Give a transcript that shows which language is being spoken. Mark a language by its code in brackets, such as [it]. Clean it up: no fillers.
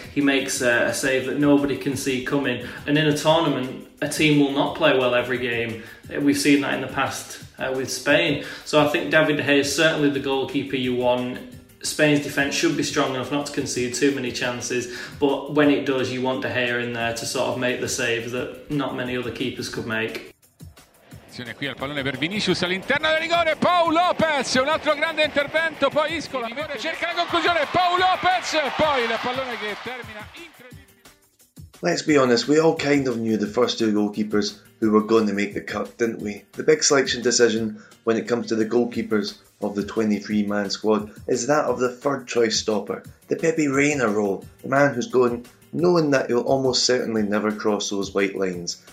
[en] He makes a save that nobody can see coming. And in a tournament, a team will not play well every game. We've seen that in the past with Spain. So I think David De Gea is certainly the goalkeeper you want. Spain's defence should be strong enough not to concede too many chances, but when it does, you want De Gea in there to sort of make the saves that not many other keepers could make. [it] Attenzione qui al pallone per Vinicius all'interno del rigore, Pau Lopez, un altro grande intervento, poi Isco, la rigore, cerca la conclusione, Pau Lopez, poi il pallone che termina incredibile. [en] Let's be honest, we all kind of knew the first two goalkeepers who were going to make the cut, didn't we? The big selection decision when it comes to the goalkeepers of the 23-man squad is that of the third-choice stopper, the Pepe Reina role, the man who's going, knowing that he'll almost certainly never cross those white lines.